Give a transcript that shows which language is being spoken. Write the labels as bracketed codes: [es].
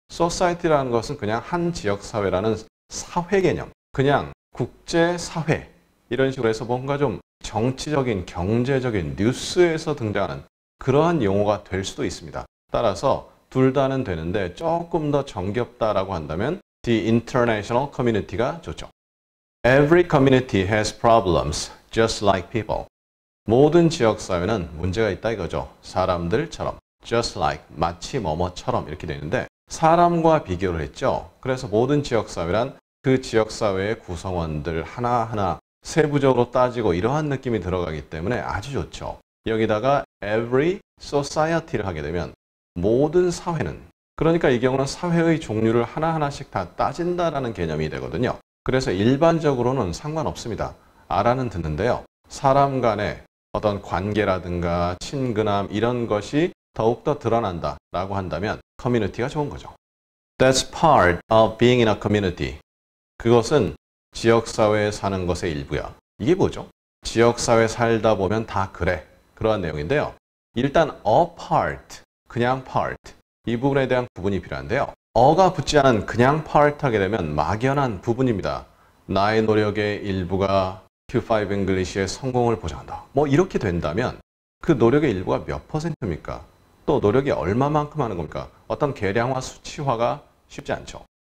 [ko] Society라는 것은 그냥 한 지역사회라는 사회 개념, 그냥 국제사회 이런 식으로 해서 뭔가 좀 정치적인, 경제적인 뉴스에서 등장하는 그러한 용어가 될 수도 있습니다. 따라서 둘 다는 되는데 조금 더 정겹다라고 한다면 The International Community가 좋죠. [en] Every community has problems just like people. [ko] 모든 지역사회는 문제가 있다 이거죠. 사람들처럼. Just like, 마치 뭐뭐처럼 이렇게 되는데 사람과 비교를 했죠. 그래서 모든 지역사회란 그 지역사회의 구성원들 하나하나 세부적으로 따지고 이러한 느낌이 들어가기 때문에 아주 좋죠. 여기다가 every society를 하게 되면 모든 사회는, 그러니까 이 경우는 사회의 종류를 하나하나씩 다 따진다라는 개념이 되거든요. 그래서 일반적으로는 상관없습니다. 알아는 듣는데요. 사람 간의 어떤 관계라든가 친근함 이런 것이 더욱더 드러난다라고 한다면 커뮤니티가 좋은 거죠. [en] That's part of being in a community. [ko] 그것은 지역사회에 사는 것의 일부야. 이게 뭐죠? 지역사회 살다 보면 다 그래. 그러한 내용인데요. 일단 a part, 그냥 part. 이 부분에 대한 구분이 필요한데요. 어가 붙지 않은 그냥 part 하게 되면 막연한 부분입니다. 나의 노력의 일부가 Q5 English의 성공을 보장한다. 뭐 이렇게 된다면 그 노력의 일부가 몇 퍼센트입니까? 또 노력이 얼마만큼 하는 겁니까? 어떤 계량화, 수치화가 쉽지 않죠.